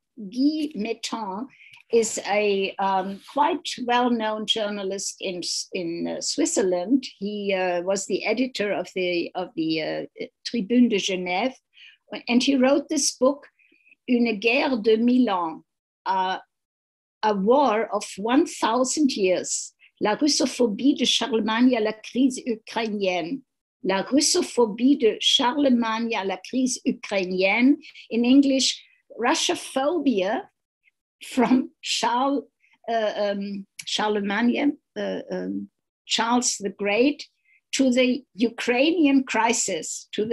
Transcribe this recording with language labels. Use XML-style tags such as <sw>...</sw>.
<en>Guy Mettan is a quite well-known journalist in Switzerland. He was the editor of the Tribune de Genève, and he wrote this book, Une guerre de mille ans, a war of 1,000 years.</en> <fr>La russophobie de Charlemagne à la crise ukrainienne. La russophobie de Charlemagne à la crise ukrainienne.</fr> <en>In English, Russophobia from Charles the Great to the Ukrainian crisis.</en>